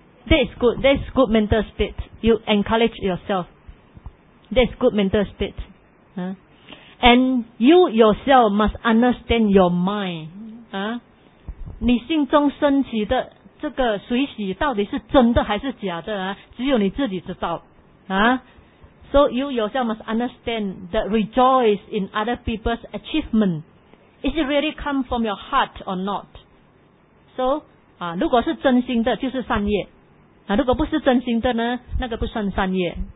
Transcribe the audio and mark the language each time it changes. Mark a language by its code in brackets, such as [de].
[en] That's good. That's good mental state. You encourage yourself. That's good mental state. And you yourself must understand your mind. [zh] 你心中升起的这个随喜到底是真的还是假的只有你自己知道。 [en] So you yourself must understand that rejoice in other people's achievement. Is it really come from your heart or not? [zh] So, 如果是真心的就是善业。如果不是真心的呢那个不算善业。